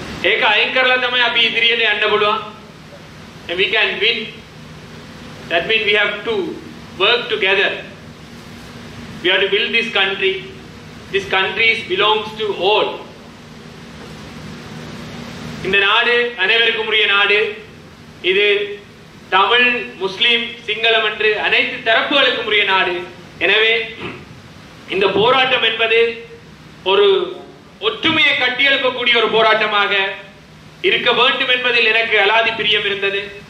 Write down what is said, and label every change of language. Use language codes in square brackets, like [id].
[si] ඒක අයින් කරලා තමයි අපි ඉදිරියට යන්න පුළුවන්. [en] And we can win. That means we have to work together. We have to build this country. This country belongs to all. [ta] இந்த நாடு அனைவருக்கும் உரிய நாடு. இது தமிழ் முஸ்லிம் சிங்களம் என்று அனைத்து தரப்புகளுக்கும் உரிய நாடு. எனவே இந்த போராட்டம் என்பது ஒரு ஒற்றுமையை கட்டியெழுப்பக்கூடிய ஒரு போராட்டமாக இருக்க வேண்டும் என்பதில் எனக்கு அலாதி பிரியம் இருந்தது.